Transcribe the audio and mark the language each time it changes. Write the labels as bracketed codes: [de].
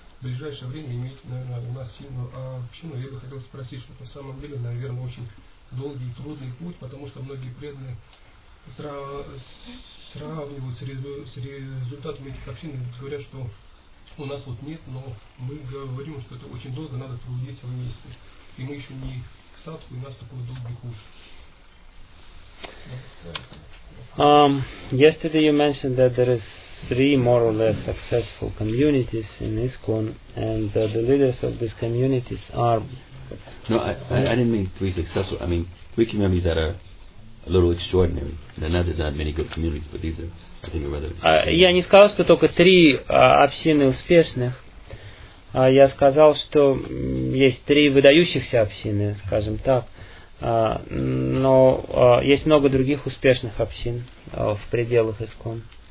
[ru] в ближайшее время иметь, наверное, у нас сильную общину. Я бы хотел спросить, что на самом деле, наверное, очень долгий и трудный путь, потому что многие преданные сравнивают с результатами этих общин и говорят, что у нас вот нет, но мы говорим, что это очень долго, надо трудиться вместе. И мы еще не к садху, у нас такой долгий путь. [en] Yesterday you mentioned that there is three more or less successful communities in ISKCON, and the leaders of these communities are... No, I didn't mean three successful. I mean three communities that are a little extraordinary. Now, not that there are many good communities, but these are, I think, rather... [ru] Я не сказал, что только три общины успешных. Я сказал, что есть три выдающихся общины, скажем так. Но есть много других успешных общин в пределах ИСКОН.